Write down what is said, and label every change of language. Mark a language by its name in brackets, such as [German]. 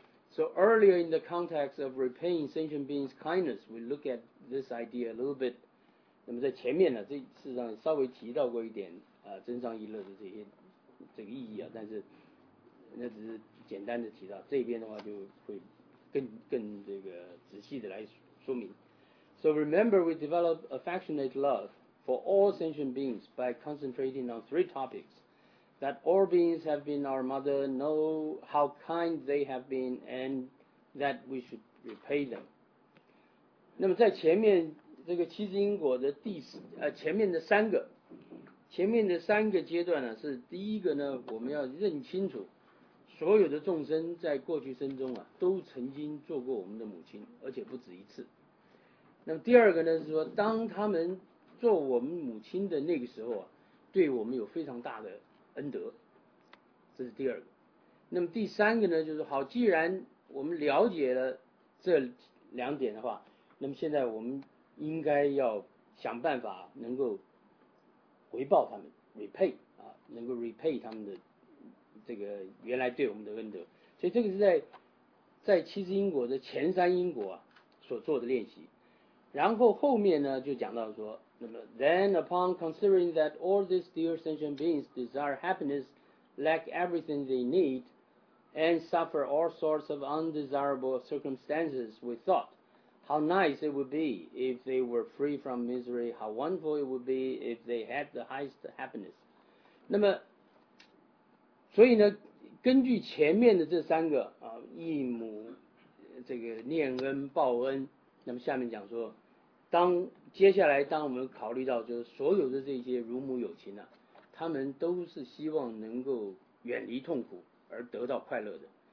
[English] So earlier in the context of repaying sentient beings' kindness, we look at this idea a little bit. [Chinese] 那么在前面呢，这事实上稍微提到过一点增上益乐的这个意义啊，但是那只是简单的提到，这边的话就会更这个仔细的来说明。 [English] So remember, we develop affectionate love for all sentient beings by concentrating on three topics: that all beings have been our mother, know how kind they have been, and that we should repay them. [Chinese] 那么在前面这个七支因果的前面的三个阶段呢，是第一个呢，我们要认清楚所有的众生在过去生中啊，都曾经做过我们的母亲，而且不止一次。那么第二个呢，是说当他们做我们母亲的那个时候啊，对我们有非常大的恩德，这是第二个。那么第三个呢，就是好，既然我们了解了这两点的话，那么现在我们应该要想办法能够回报他们 ，repay 啊，能够 repay 他们的这个原来对我们的恩德。所以这个是在七支因果的前三因果啊所做的练习。然后后面呢就讲到说，那么 [English] then upon considering that all these dear sentient beings desire happiness, lack everything they need, and suffer all sorts of undesirable circumstances, we thought how nice it would be if they were free from misery, how wonderful it would be if they had the highest happiness. [Chinese] 那么所以呢，根据前面的这三个啊，义母这个念恩报恩，那么下面讲说，当接下来当我们考虑到就是所有的这些如母有情啊，他们都是希望能够远离痛苦而得到快乐的，